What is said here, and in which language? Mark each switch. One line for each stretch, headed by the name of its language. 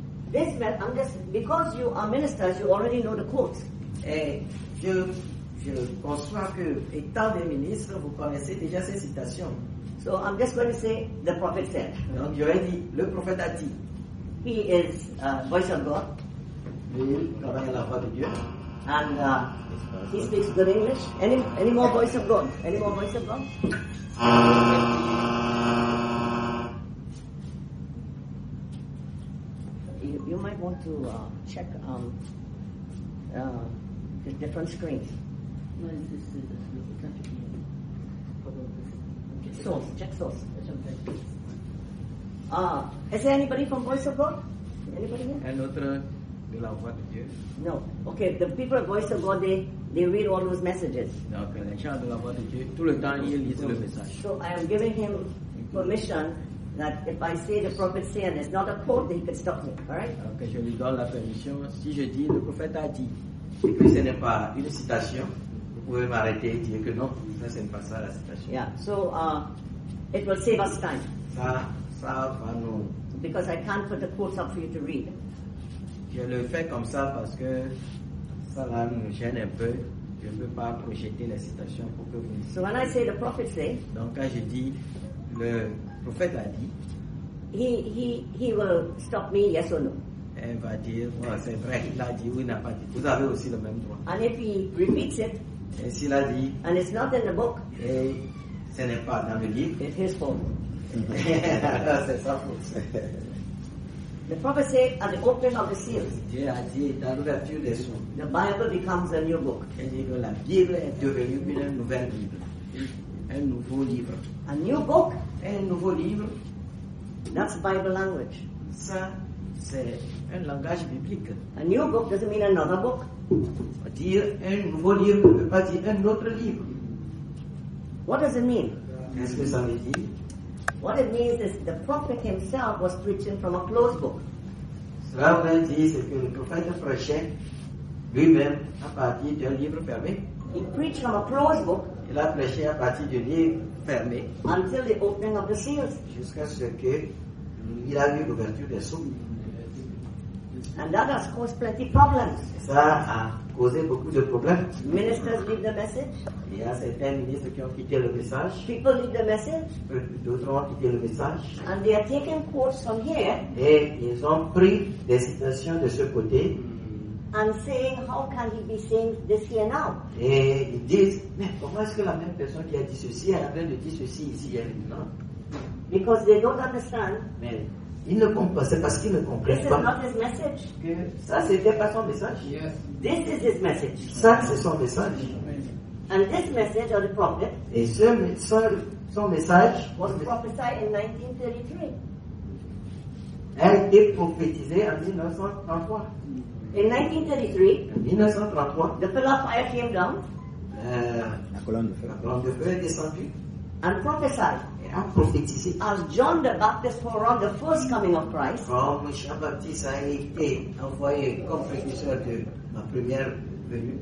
English: This message, I'm just, because you are ministers, you already know the quotes.
French: Et je conçois que, étant des ministres, vous connaissez déjà ces citations.
English: So I'm just going to say the prophet said.
French: Donc je vais dire, le prophète a dit.
English: He is a voice of God.
French: Il parle la voix de Dieu.
English: And he speaks good English. Any more voice of God? Any more voice of God? You might want to check the different screens. No, this is the country. Source, check source. Is there anybody from Voice of God? Anybody here?
French: Un autre de la voix de Dieu.
English: No. Okay, the people of Voice of God, they read all those messages.
French: Okay, les gens de la voix de Dieu, tout le temps, ils lisent le message.
English: So I am giving him permission that if I say the prophet said, and it's not a quote, then he could stop me, all right?
French: Okay, je lui donne la permission. Si je dis le prophète a dit, et que ce n'est pas une citation, vous pouvez m'arrêter et dire que non, ça c'est pas ça la situation.
English: Yeah, so it will save us time.
French: Ça va nous.
English: Because I can't put the quotes up for you to read.
French: Je le fais comme ça parce que ça là nous gêne un peu. Je ne peux pas projeter la citation pour que vous.
English: So when I say the prophet say.
French: Donc quand je dis le prophète a dit.
English: He will stop me, yes or no.
French: Elle va dire, ouais, c'est vrai, il a dit ou il n'a pas dit. Vous avez aussi le même droit.
English: And if he repeats it.
French: Et s'il a dit,
English: and it's not in the book.
French: Et ce n'est pas dans le livre.
English: It's his fault.
French: C'est sa faute.
English: The prophet said at the opening of the seals.
French: Dieu a dit dans l'ouverture des sceaux.
English: The Bible becomes a new book.
French: Et que la Bible est devenue un nouvel livre. Un nouveau livre.
English: A new book.
French: Un nouveau livre.
English: That's Bible language.
French: Ça, c'est un langage biblique.
English: A new book doesn't mean another book.
French: Dire un nouveau livre ne veut pas dire un autre livre.
English: What does it mean?
French: Qu'est-ce que ça veut dire?
English: What it means is the prophet himself was preaching from a closed book.
French: Cela veut dire c'est que le prophète prêchait lui-même à partir d'un livre fermé.
English: He preached from a closed book.
French: Il a prêché à partir d'un livre fermé.
English: Until the opening of the seals.
French: Jusqu'à ce que il a vu l'ouverture des sceaux.
English: And that has caused plenty of problems.
French: Ça a causé beaucoup de problèmes.
English: Ministers leave the message.
French: Il y a certains ministres qui ont quitté le message.
English: People leave the message.
French: D'autres ont quitté le message.
English: And they are taking quotes from here.
French: Et ils ont pris des citations de ce côté.
English: and saying, how can he be saying this here now?
French: Et ils disent, mais comment est-ce que la même personne qui a dit ceci, elle a bien dit ceci ici hier maintenant?
English: Because they don't understand.
French: Mais ils ne comprennent pas, c'est parce qu'ils ne comprennent
English: this
French: pas.
English: This is not his message.
French: Que ça, c'était pas son message.
English: Yes. This is his message.
French: Ça, c'est son message.
English: And this message of the prophet.
French: Et ce, son message
English: was prophesied in 1933.
French: Elle a été prophétisée en 1933.
English: In 1933,
French: en 1933,
English: the pillar of fire came down.
French: La colonne de feu est descendue.
English: And prophesied.
French: Et a prophétisé.
English: As John the Baptist foretold the first coming of Christ.
French: Comme Jean Baptiste a été envoyé comme précurseur de la première venue.